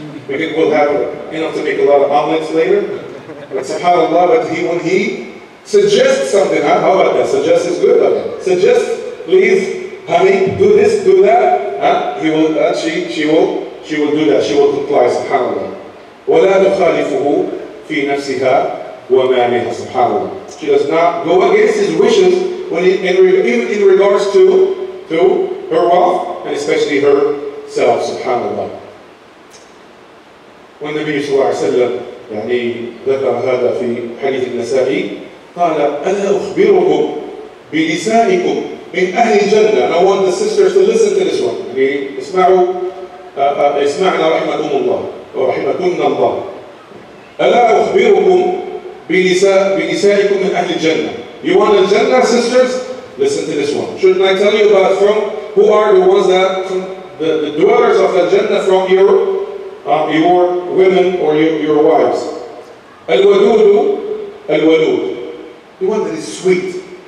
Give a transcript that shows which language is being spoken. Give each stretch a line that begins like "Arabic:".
English: We will have enough to make a lot of omelets later. But subhanAllah, when he Suggest something. Huh? How about that? Suggest is good. Okay. Suggest, please, honey, do this, do that. Huh? He will. She will do that. She will comply. Subhanallah.
Arabic: ولا نخالفه في نفسها ومامها سبحانه.
English: She does not go against his wishes when he, in regards to her wealth and especially herself, subhanallah. When Nabi
Arabic: صلى الله عليه وسلم يعني ذكر هذا في حديث النسائي قال ألا أخبركم بنسائكم من أهل الجنة.
English: And I want the sisters to listen to this one.
Arabic: يعني اسمعوا اسمعنا رحمكم الله. ورحمتنا الله. ألا أخبركم بنسائكم من أهل الجنة.
English: You want the Jannah sisters? Listen to this one. Shouldn't I tell you about from who are the ones that from the dwellers of the Jannah from your women or your wives.
Arabic: الودود الودود.
English: The one that is sweet.